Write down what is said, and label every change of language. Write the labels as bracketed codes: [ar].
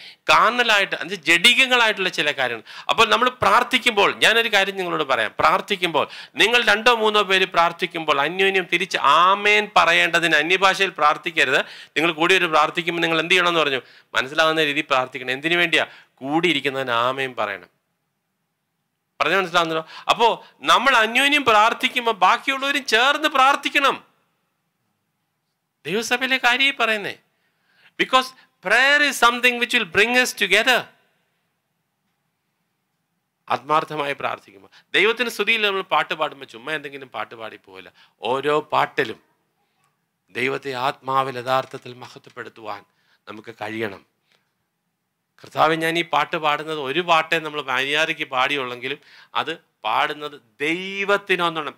[ml] കാർണലായിട്ട് അതിന് ജഡികങ്ങളായിട്ടുള്ള ചില കാര്യങ്ങൾ. അപ്പോൾ നമ്മൾ പ്രാർത്ഥിക്കുമ്പോൾ, ഞാനൊരു കാര്യം നിങ്ങളോട് പറയാം, പ്രാർത്ഥിക്കുമ്പോൾ നിങ്ങൾ രണ്ടോ മൂന്നോ പേര് പ്രാർത്ഥിക്കുമ്പോൾ അന്യോന്യം തിരിച്ച് ആമേൻ പറയേണ്ടതിന് അന്യഭാഷയിൽ പ്രാർത്ഥിക്കരുത്. നിങ്ങൾ കൂടി ഒരു പ്രാർത്ഥിക്കുമ്പോൾ നിങ്ങൾ എന്ത് ചെയ്യണമെന്ന് പറഞ്ഞു, മനസ്സിലാകുന്ന രീതിയിൽ പ്രാർത്ഥിക്കണം. എന്തിനു വേണ്ടിയാ? കൂടിയിരിക്കുന്നതിന് ആമേൻ പറയണം. പറഞ്ഞു മനസ്സിലാകുന്നല്ലോ? അപ്പോൾ നമ്മൾ അന്യോന്യം പ്രാർത്ഥിക്കുമ്പോൾ ബാക്കിയുള്ളവരും ചേർന്ന് പ്രാർത്ഥിക്കണം. ദൈവസഭയിലെ കാര്യം ഈ പറയുന്നേ, [en] Because prayer is something which will bring us together. [ml] ആത്മാർത്ഥമായി പ്രാർത്ഥിക്കുമ്പോൾ ദൈവത്തിന് സ്തുതിയിൽ നമ്മൾ പാട്ട് പാടുമ്പോൾ ചുമ്മാ എന്തെങ്കിലും പാട്ട് പാടി പോവില്ല. ഓരോ പാട്ടിലും ദൈവത്തെ ആത്മാവിൽ യഥാർത്ഥത്തിൽ മഹത്വപ്പെടുത്തുവാൻ നമുക്ക് കഴിയണം. കർത്താവ്, ഞാൻ ഈ പാട്ട് പാടുന്നത് ഒരു പാട്ടേ നമ്മൾ മര്യാദയ്ക്ക് പാടിയുള്ളെങ്കിലും അത് പാടുന്നത് ദൈവത്തിനൊന്നാണ്.